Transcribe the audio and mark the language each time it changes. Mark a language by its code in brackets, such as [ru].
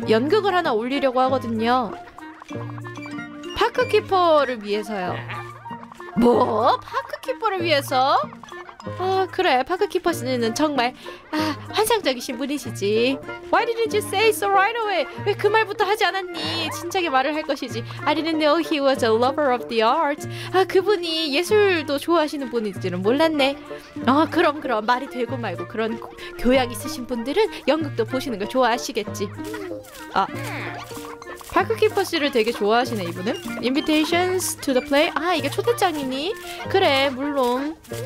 [ko] 연극을 하나 올리려고 하거든요. 파크키퍼를 위해서요. 뭐? 파크키퍼를 위해서? 아, 그래. 파크키퍼 씨는 정말 아, 환상적이신 분이시지. [en] Why didn't you say so right away? [ko] 왜 그 말부터 하지 않았니? 진작에 말을 할 것이지. [en] I didn't know he was a lover of the art. [ko] 아, 그분이 예술도 좋아하시는 분인지는 몰랐네. 아, 그럼 그럼. 말이 되고 말고 그런 교양 있으신 분들은 연극도 보시는 거 좋아하시겠지. 아, 파크키퍼 씨를 되게 좋아하시네, 이분은. [en] Invitations to the play? [ko] 아, 이게 초대장이니? 그래, 물론.